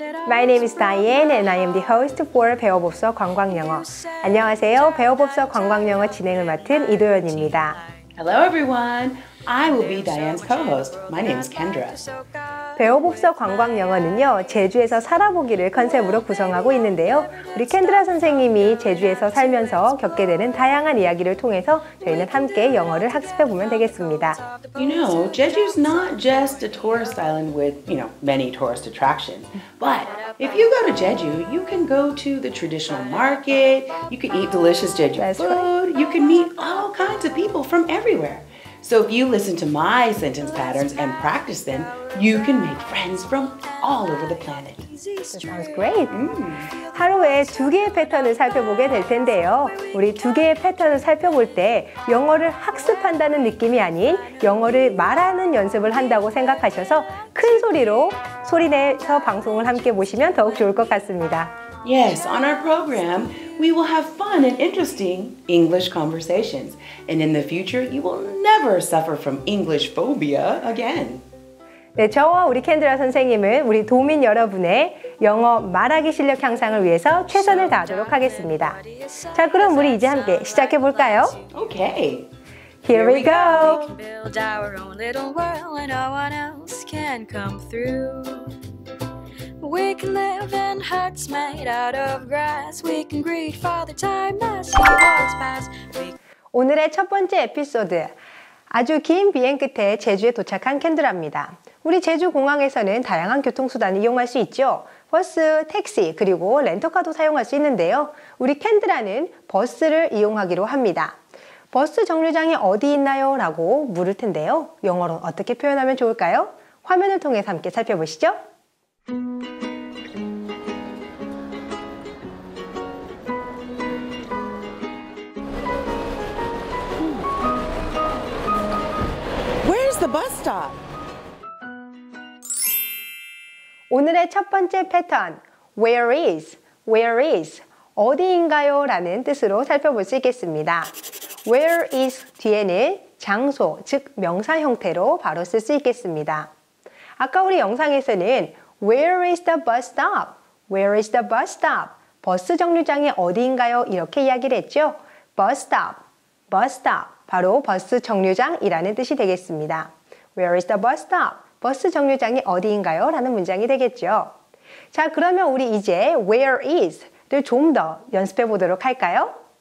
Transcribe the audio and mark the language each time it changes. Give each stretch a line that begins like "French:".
English: My name is Diane and I am the host for 배워봅서 관광영어.
Korean: 안녕하세요. 배워봅서 관광영어 진행을 맡은 이도연입니다.
English: Hello everyone. I will be Diane's co-host. My name is Kendra. 배워봅서 관광영어는요, 제주에서 살아보기를 컨셉으로 구성하고 있는데요. 우리 켄드라 선생님이 제주에서 살면서 겪게 되는 다양한 이야기를 통해서 저희는 함께 영어를 학습해보면 되겠습니다. You know, Jeju's not just a tourist island with, you know, many tourist attractions. But if you go to Jeju, you can go to the traditional market, you can eat delicious Jeju food, you can meet all kinds of people from everywhere. So if you listen to my sentence patterns and practice them, you can make friends from all over the planet. That sounds great. Mm.
Korean: 하루에 두 개의 패턴을 살펴보게 될 텐데요. 우리 두 개의 패턴을 살펴볼 때 영어를 학습한다는 느낌이 아닌 영어를 말하는 연습을 한다고 생각하셔서 큰 소리로 소리내서 방송을 함께 보시면 더욱 좋을 것 같습니다.
English: Yes, on our program, we will have fun and interesting English conversations. And in the future, you will never suffer from English phobia again.
Korean: 네, 저와 우리 켄드라 선생님은 우리 도민 여러분의 영어 말하기 실력 향상을 위해서 최선을 다하도록 하겠습니다. 자, 그럼 우리 이제 함께 시작해 볼까요?
English: Okay. Here we go. Build our own little world and no one else can come through. We can live in huts made out of grass. We can greet Father Time as he walks past.
Korean: 오늘의 첫 번째 에피소드. 아주 긴 비행 끝에 제주에 도착한 켄드라입니다. 우리 제주 공항에서는 다양한 교통수단을 이용할 수 있죠. 버스, 택시, 그리고 렌터카도 사용할 수 있는데요. 우리 켄드라는 버스를 이용하기로 합니다. 버스 정류장이 어디 있나요? 라고 물을 텐데요. 영어로 어떻게 표현하면 좋을까요? 화면을 통해서 함께 살펴보시죠.
English: Where's the bus stop?
Korean: 오늘의 첫 번째 패턴, where is, 어디인가요? 라는 뜻으로 살펴볼 수 있겠습니다. Where is 뒤에는 장소, 즉 명사 형태로 바로 쓸 수 있겠습니다. 아까 우리 영상에서는
English: Where is the bus stop? Where is the bus stop?
Korean: 버스 정류장이 어디인가요? 이렇게 이야기를 했죠. Bus stop. 바로 버스 정류장이라는 뜻이 되겠습니다.
English: Where is the bus stop?
Korean: 버스 정류장이 어디인가요? 라는 문장이 되겠죠. 자, 그러면 우리 이제 where is를 좀 더 연습해 보도록 할까요?